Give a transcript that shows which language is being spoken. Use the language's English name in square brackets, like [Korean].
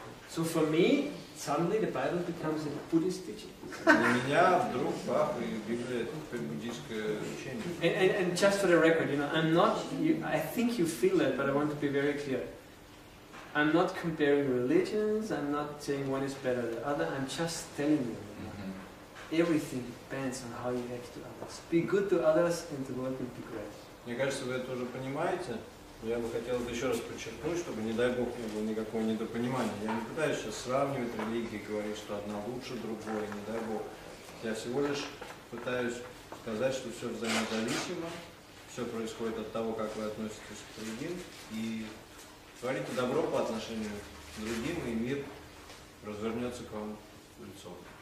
[English] So for me, suddenly the Bible becomes a Buddhist teaching. [Russian] Для меня вдруг бах и Библия это буддийское учение. [English] And just for the record, you know, I'm not. I think you feel that, but I want to be very clear. I'm not comparing religions, I'm not saying one is better than the other, I'm just telling you. Mm-hmm. Everything depends on how you act to others. Be good to others and the world will be great. [Russian] Мне кажется, вы это уже понимаете. Я бы хотел это еще раз подчеркнуть, чтобы, не дай Бог, не было никакого недопонимания. Я не пытаюсь сейчас сравнивать религии, говорить, что одна лучше другой, не дай Бог. Я всего лишь пытаюсь сказать, что все взаимозависимо, все происходит от того, как вы относитесь к другим, и творите добро по отношению к другим, и мир развернется к вам лицом.